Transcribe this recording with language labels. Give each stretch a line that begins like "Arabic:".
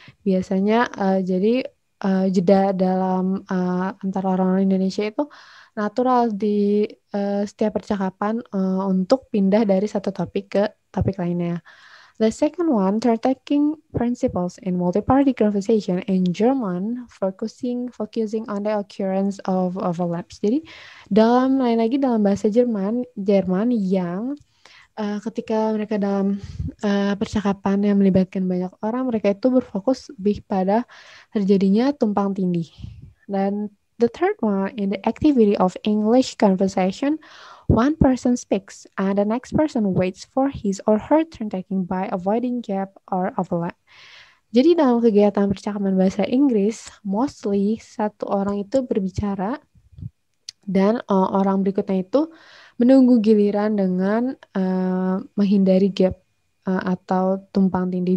Indonesian: Biasanya jeda dalam antara orang-orang Indonesia itu natural di setiap percakapan untuk pindah dari satu topik ke topik lainnya.
English: The second one, turn-taking principles in multi-party conversation in German, focusing on the occurrence of overlaps.
Indonesian: Jadi, dalam bahasa Jerman yang ketika mereka dalam percakapan yang melibatkan banyak orang, mereka itu berfokus lebih pada terjadinya tumpang tindih. Dan
English: the third one, in the activity of English conversation, One person speaks, and the next person waits for his or her turn talking by avoiding gap or overlap.
Indonesian: Jadi dalam kegiatan percakapan bahasa Inggris, mostly satu orang itu berbicara, dan orang berikutnya itu menunggu giliran dengan menghindari gap atau tumpang tindih.